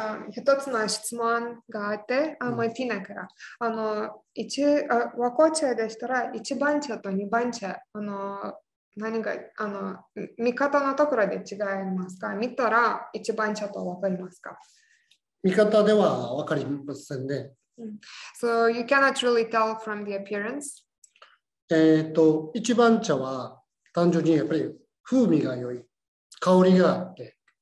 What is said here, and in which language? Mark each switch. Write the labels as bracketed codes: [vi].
[ja] 一つの質問があって、ティナから。和紅茶でしたら、一番茶と二番茶、何が、見方のところで違いますか？見たら一番茶と分かりますか？見方では分かりませんね。 [en] So you cannot really tell from the appearance. [ja] 一番茶は単純にやっぱり風味が良い、香りがあって。